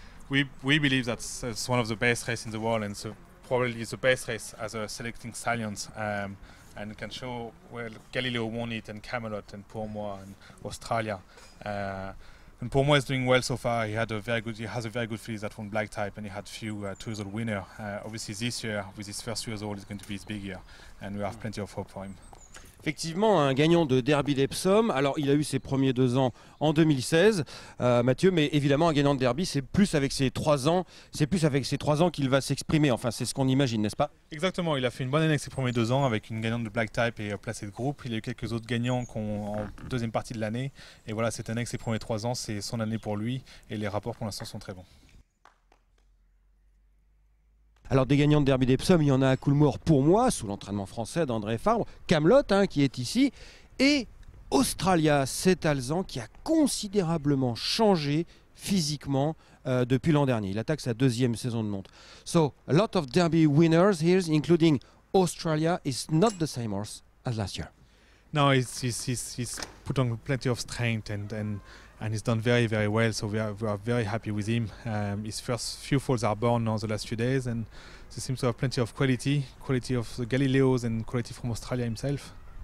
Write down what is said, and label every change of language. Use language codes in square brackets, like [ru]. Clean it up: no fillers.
[en] We believe that it's one of the best races in the world, and so probably the best race as a selecting stallion, and can show well Galileo won it, and Camelot, and pour moi, and Australia. And pour moi is doing well so far. He has a very good field that won black type, and he had few 2 year old winner. Obviously this year with his first 2 year old is going to be his big year, and we have plenty of hope for him. [fr] Effectivement, un gagnant de Derby d'Epsom. Alors il a eu ses premiers 2 ans en 2016, Mathieu. Mais évidemment, un gagnant de Derby, c'est plus avec ses trois ans qu'il va s'exprimer. Enfin, c'est ce qu'on imagine, n'est-ce pas? Exactement. Il a fait une bonne année avec ses premiers 2 ans avec une gagnante de black type et placée de groupe. Il y a eu quelques autres gagnants en deuxième partie de l'année. Et voilà, cette année avec ses premiers 3 ans, c'est son année pour lui. Et les rapports pour l'instant sont très bons. Alors des gagnants de Derby d'Epsom, il y en a à Coolmore pour moi, sous l'entraînement français d'André Farbre, Camelot hein, qui est ici, et Australia, cet Alzan qui a considérablement changé physiquement depuis l'an dernier. Il attaque sa deuxième saison de monte. [en] So, a lot of Derby winners here, including Australia, is not the same horse as last year. No, he's put on plenty of strength and he's done very, very well, so we are very happy with him. His first few foals are born now the last few days, and he seems to have plenty of quality of the Galileos and quality from Australia himself.